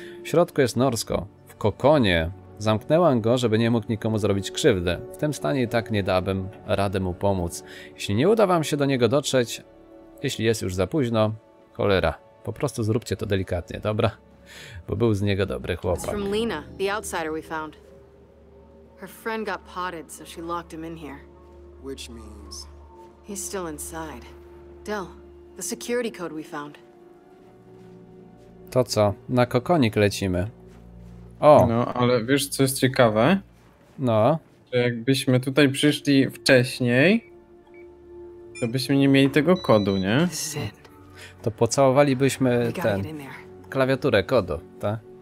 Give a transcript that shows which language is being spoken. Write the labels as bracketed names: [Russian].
[Polish] W środku jest norsko. W kokonie. Zamknęłam go, żeby nie mógł nikomu zrobić krzywdy. W tym stanie i tak nie dałabym rady mu pomóc. Jeśli nie uda wam się do niego dotrzeć, jeśli jest już za późno, cholera. Po prostu zróbcie to delikatnie, dobra? Bo był z niego dobry chłopak. [English] From Lena, the outsider we found. Her friend got potted, so she locked him in here. Which means he's still inside. Del, the security code we found. [Polish] To co? Na kokonik lecimy. O. No, ale wiesz co jest ciekawe? No. Że jakbyśmy tutaj przyszli wcześniej, to byśmy nie mieli tego kodu, nie? To pocałowalibyśmy ten klawiaturę kodu, tak?